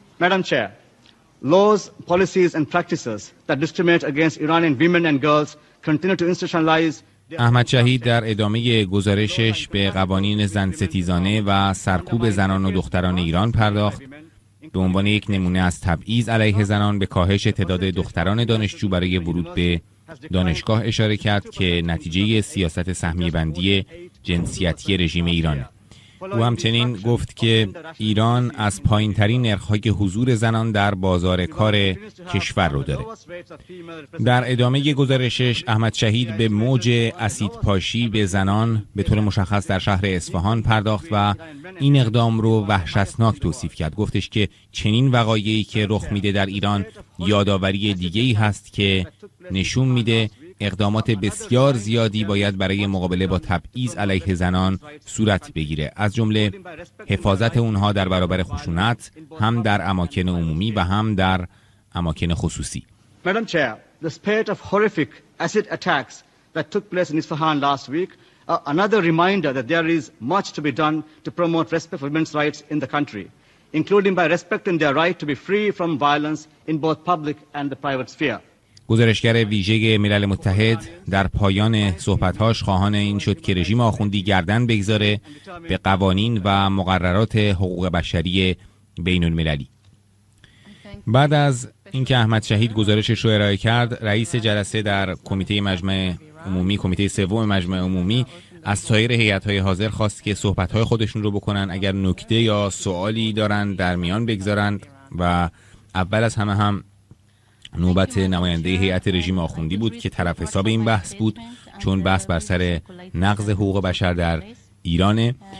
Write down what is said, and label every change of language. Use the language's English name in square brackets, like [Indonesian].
[English] Madam Chair, laws, policies and practices that discriminate against Iranian women and girls continue to institutionalize. [Persian] احمد شهید در ادامه گزارشش به قوانین زن ستیزانه و سرکوب زنان و دختران ایران پرداخت. به عنوان یک نمونه از تبعیض علیه زنان به کاهش تعداد دختران دانشجو برای ورود به دانشگاه اشاره کرد که نتیجه سیاست سهمیه بندی جنسیتی رژیم ایرانه. او همچنین گفت که ایران از پایین ترین نرخهای حضور زنان در بازار کار کشور رو داره. در ادامه گزارشش احمد شهید به موج اسید پاشی به زنان به طور مشخص در شهر اصفهان پرداخت و این اقدام رو وحشتناک توصیف کرد. گفتش که چنین وقایعی که رخ میده در ایران یادآوری دیگه‌ای هست که نشون میده اقدامات بسیار زیادی باید برای مقابله با تبعیض علیه زنان صورت بگیره، از جمله حفاظت اونها در برابر خشونت هم در اماکن عمومی و هم در اماکن خصوصی. [English] Madam Chair, the spate of horrific acid attacks that took place in Isfahan last week are another reminder that there is much to be done to promote respect for women's rights in the country, including by respecting their right to be free from violence in both public and the private sphere. [Persian] گزارشگر ویژه ملل متحد در پایان صحبتهاش خواهان این شد که رژیم آخوندی گردن بگذاره به قوانین و مقررات حقوق بشری بین المللی. بعد از اینکه احمد شهید گزارشش رو ارائه کرد، رئیس جلسه در کمیته مجمع عمومی، کمیته سوم مجمع عمومی، از سایر هیئت‌های حاضر خواست که صحبتهای خودشون رو بکنن، اگر نکته یا سوالی دارن در میان بگذارن و اول از همه هم نوبت نماینده هیئت رژیم آخوندی بود که طرف حساب این بحث بود، چون بحث بر سر نقض حقوق بشر در ایرانه.